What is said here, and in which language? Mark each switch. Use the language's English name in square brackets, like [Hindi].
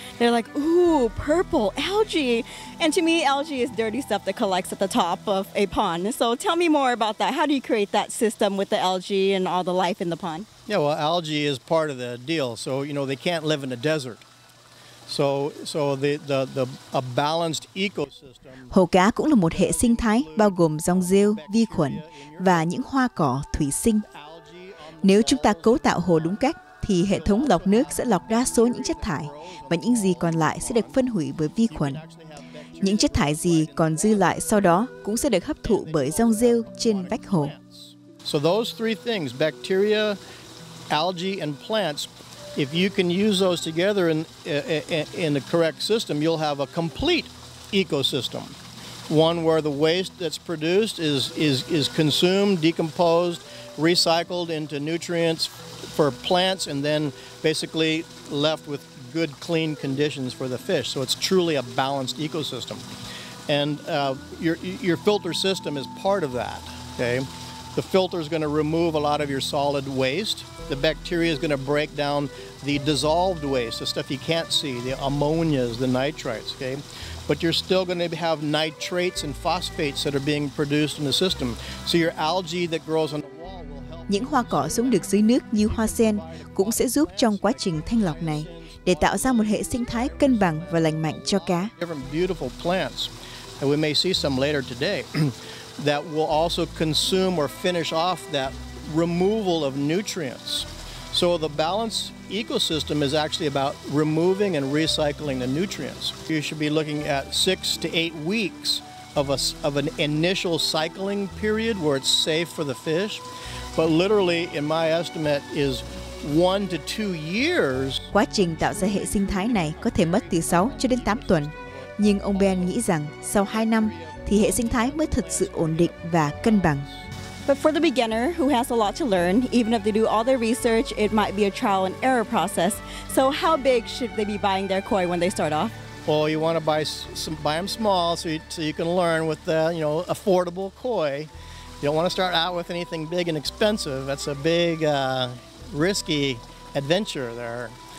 [English] They're like, ooh, purple algae. And to me, algae is dirty stuff that collects at the top of a pond. So tell me more about that. How do you create that system with the algae and all the life in the pond? Yeah, well, algae is part of the deal. So, you know, they can't live in a desert. So the a balanced ecosystem. [Vietnamese] Hồ cá cũng là một hệ sinh thái bao gồm rong rêu, vi khuẩn và những hoa cỏ thủy sinh. Nếu chúng ta cấu tạo hồ đúng cách thì hệ thống lọc nước sẽ lọc ra số những chất thải và những gì còn lại sẽ được phân hủy bởi vi khuẩn. Những chất thải gì còn dư lại sau đó cũng sẽ được hấp thụ bởi rong rêu trên vách hồ. [English] So those three things, bacteria, algae and plants, if you can use those together in the correct system, you'll have a complete ecosystem. One where the waste that's produced is consumed, decomposed, recycled into nutrients for plants, and then basically left with good, clean conditions for the fish. So it's truly a balanced ecosystem. And your filter system is part of that, okay? The filter is going to remove a lot of your solid waste. The bacteria is going to break down the dissolved waste, the stuff you can't see, the ammonias, the nitrites, okay? But you're still going to have nitrates and phosphates that are being produced in the system. So your algae that grows on the wall will help. [Vietnamese] Những hoa cỏ sống được dưới nước như hoa sen cũng sẽ giúp trong quá trình thanh lọc này để tạo ra một hệ sinh thái cân bằng và lành mạnh cho cá. [English] Different beautiful plants, and we may see some later today, that will also consume or finish off that removal of nutrients. So the balance ecosystem is actually about removing and recycling the nutrients. You should be looking at 6 to 8 weeks of an initial cycling period where it's safe for the fish. But literally, in my estimate, is 1 to 2 years. [Vietnamese] Quá trình tạo ra hệ sinh thái này có thể mất từ 6 cho đến 8 tuần. Nhưng ông Ben nghĩ rằng sau 2 năm thì hệ sinh thái mới thật sự ổn định và cân bằng. [English] But for the beginner who has a lot to learn, even if they do all their research, it might be a trial and error process. So how big should they be buying their koi when they start off? Well, you want to buy them small so you can learn with the, you know, affordable koi. You don't want to start out with anything big and expensive. That's a big risky adventure there.